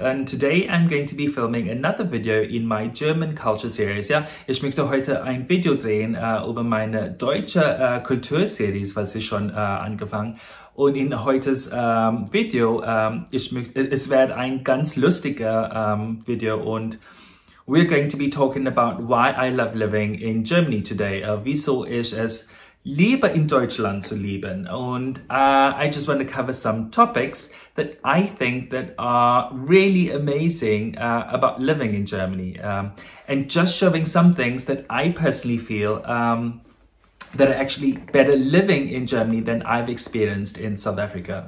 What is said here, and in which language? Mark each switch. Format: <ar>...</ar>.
<en>And today I'm going to be filming another video in my German Culture Series.</en> <de>Ja, ich möchte heute ein Video drehen über meine deutsche Kulturserie, was ich schon angefangen habe. Und in heutes Video, es wird ein ganz lustiger Video und</de> <en>we're going to be talking about why I love living in Germany today.</en> <de>Wieso ich es liebe, in Deutschland zu leben.</de> <en>Und I just want to cover some topics that I think that are really amazing about living in Germany. And just showing some things that I personally feel that are actually better living in Germany than I've experienced in South Africa.</en>